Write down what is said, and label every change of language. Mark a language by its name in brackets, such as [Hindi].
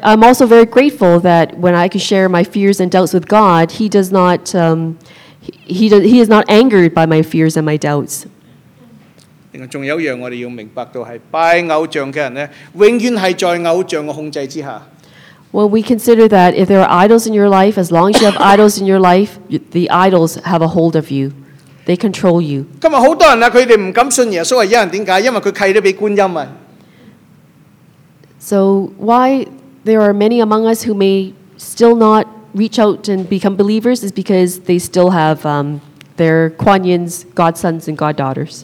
[English] I'm also very grateful that when I can share my fears and doubts with God, he is not angered by my fears and my doubts. [Cantonese] 另外仲有一樣我哋要明白到係拜偶像嘅人咧，永遠係在偶像嘅控制之下。 [English] Well, we consider that if there are idols in your life, as long as you have idols in your life, the idols have a hold of you. They control you. [Cantonese] 今日好多人啊，佢哋唔敢信耶穌係因為點解？因為佢契得俾觀音啊。 [English] So why there are many among us who may still not reach out and become believers is because they still have their Kuan Yin's godsons and goddaughters.